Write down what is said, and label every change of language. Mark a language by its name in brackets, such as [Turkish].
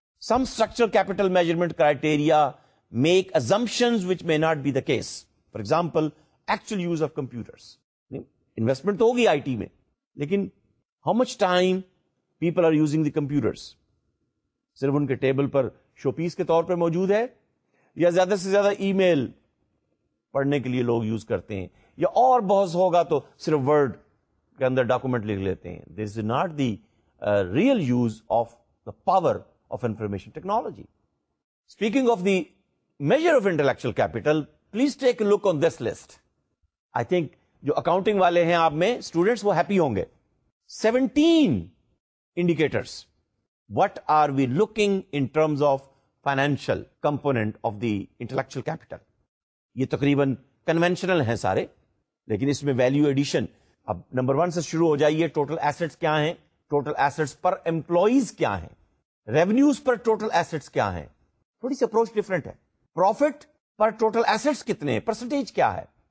[English] Some structural capital measurement criteria make assumptions which may not be the case. For example, actual use of computers. [Urdu] Investment تو ہوگی IT میں, لیکن how much time people are using the computers, صرف ان کے table پر شو پیس کے طور پہ موجود ہے یا زیادہ سے زیادہ ای میل پڑھنے کے لیے لوگ یوز کرتے ہیں یا اور بہت ہوگا تو صرف ورڈ کے اندر ڈاکومنٹ لکھ لیتے ہیں. [English] This is not the real use of the power of information technology. Speaking of the major of intellectual capital, please take a look on this list. I think [Urdu] جو اکاؤنٹنگ والے ہیں آپ میں اسٹوڈینٹس وہ ہیپی ہوں گے. [English] 17 indicators. What are we looking in terms of financial component of the intellectual capital? [Urdu] یہ تقریباً conventional ہیں سارے, لیکن اس میں value addition. اب number one سے شروع ہو جائیے, total assets کیا ہیں, [English] total assets per employees [Urdu] کیا ہیں, [English] revenues per total assets [Urdu] کیا ہیں, تھوڑی سی approach different ہے. [English] Profit per total assets [Urdu] کتنے, percentage کیا ہے.